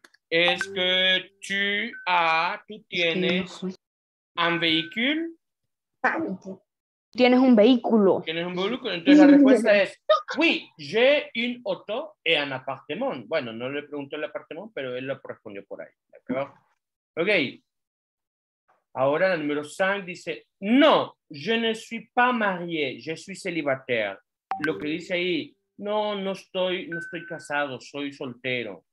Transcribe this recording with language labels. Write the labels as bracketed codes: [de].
[es] Es que tú tienes un vehículo. Tienes un vehículo. Tienes un vehículo. Entonces la respuesta es: [fr] oui, j'ai une auto et un appartement. [es] Bueno, no le pregunté el appartement, pero él lo respondió por ahí. Ok. Ahora la número 5 dice: [fr] no, je ne suis pas marié, je suis célibataire. [es] Lo que dice ahí: no, no estoy casado, soy soltero.